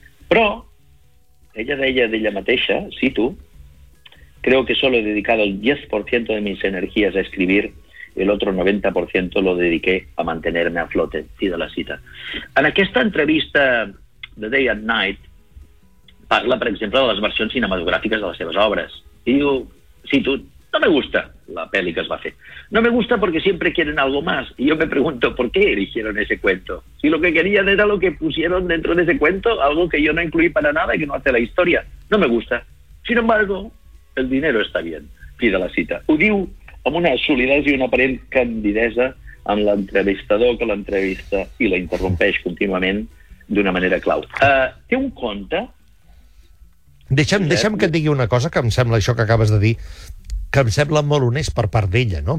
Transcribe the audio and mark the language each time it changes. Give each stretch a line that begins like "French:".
Catalan: Però ella deia d'ella mateixa, cito,
Spanish: creo que solo he dedicado el 10% de mis energías a escribir, el otro 90% lo dediqué a mantenerme a flote.
Catalan: Fi de la cita. En aquesta entrevista de Day and Night parla, per exemple, de les versions cinematogràfiques de les seves obres. I diu, cito,
Spanish: no me gusta la peli
Catalan: que es va fer.
Spanish: No me gusta porque siempre quieren algo más. Y yo me pregunto, ¿por qué eligieron ese cuento? Si lo que querían era lo que pusieron dentro de ese cuento, algo que yo no incluí para nada y que no hace la historia. No me gusta. Sin embargo, el dinero está bien.
Catalan: Fi de la cita. Ho diu amb una solidesa i una aparent candidesa amb l'entrevistador que l'entrevista i la interrompeix contínuament d'una manera clau. Té un conte. Deixa'm que et digui una cosa que em sembla, això que acabes de dir, que em sembla molt honest per part d'ella, no?